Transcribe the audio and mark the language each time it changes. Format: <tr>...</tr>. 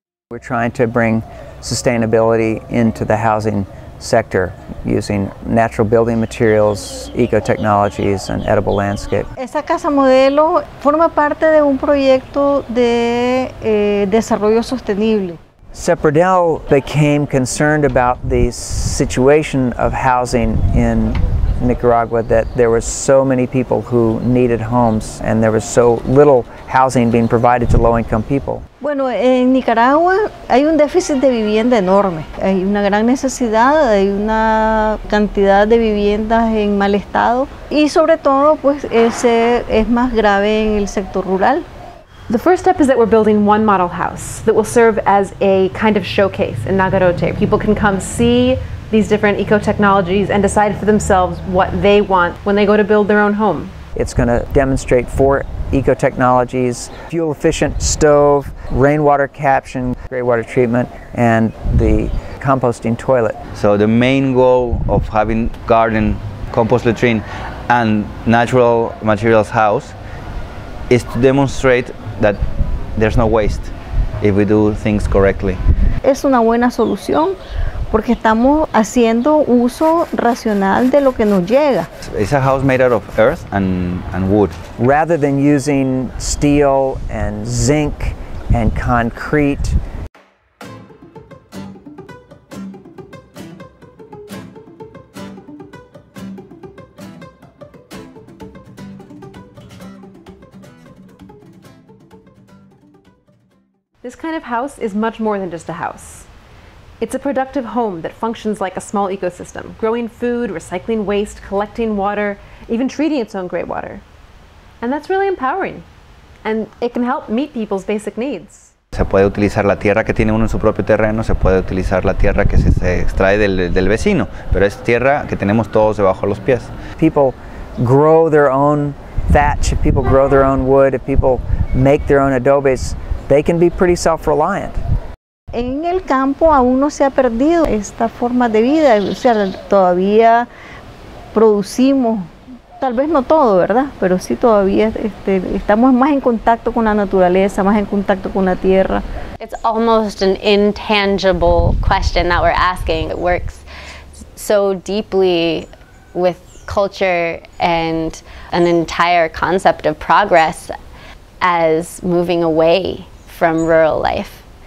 <en>We're trying to bring sustainability into the housing sector using natural building materials, ecotechnologies, and edible landscape.</en> <es>Esta casa modelo forma parte de un proyecto de desarrollo sostenible.</es> <en>Sepradell became concerned about the situation of housing in Nicaragua, that there were so many people who needed homes and there was so little housing being provided to low-income people.</en> <es>Bueno, en Nicaragua hay un déficit de vivienda enorme. Hay una gran necesidad, hay una cantidad de viviendas en mal estado y sobre todo pues ese es más grave en el sector rural.</es> <en>The first step is that we're building one model house that will serve as a kind of showcase in Nagarote. People can come see these different eco-technologies and decide for themselves what they want when they go to build their own home. It's going to demonstrate four eco-technologies: fuel-efficient stove, rainwater caption, gray water treatment, and the composting toilet. So the main goal of having garden, compost latrine, and natural materials house is to demonstrate that there's no waste if we do things correctly.</en> <es>Es una buena solución, porque estamos haciendo uso racional de lo que nos llega.</es> <en>It's a house made out of earth and wood. Rather than using steel and zinc and concrete. This kind of house is much more than just a house. It's a productive home that functions like a small ecosystem, growing food, recycling waste, collecting water, even treating its own gray water. And that's really empowering. And it can help meet people's basic needs.</en> <es>Se puede utilizar la tierra que tiene uno en su propio terreno, se puede utilizar la tierra que se extrae del vecino, pero es tierra que tenemos todos debajo de los pies.</es> <en>People grow their own thatch, if people grow their own wood, if people make their own adobes, they can be pretty self-reliant.</en> <es>En el campo aún no se ha perdido esta forma de vida, o sea, todavía producimos, tal vez no todo, ¿verdad? Pero sí todavía estamos más en contacto con la naturaleza, más en contacto con la tierra.</es> <en>It's almost an intangible question that we're asking. It works so deeply with culture and an entire concept of progress as moving away from rural life.</en>